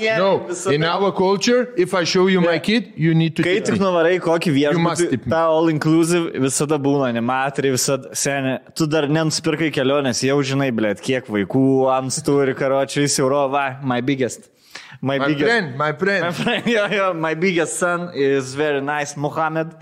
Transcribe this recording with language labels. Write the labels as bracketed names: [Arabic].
[English] No, in our culture, if I show you my kid, you need to... [Lithuanian] Kai tik nuvarai kokį viešbutį, ta all-inclusive visada būna, animatoriai visada, senė, tu dar nenusipirkai kelionės, jau žinai, blėt, kiek vaikų ams turi, karočiai, jis jau va, [English] my biggest. My friend. My biggest son is very nice, Mohammed.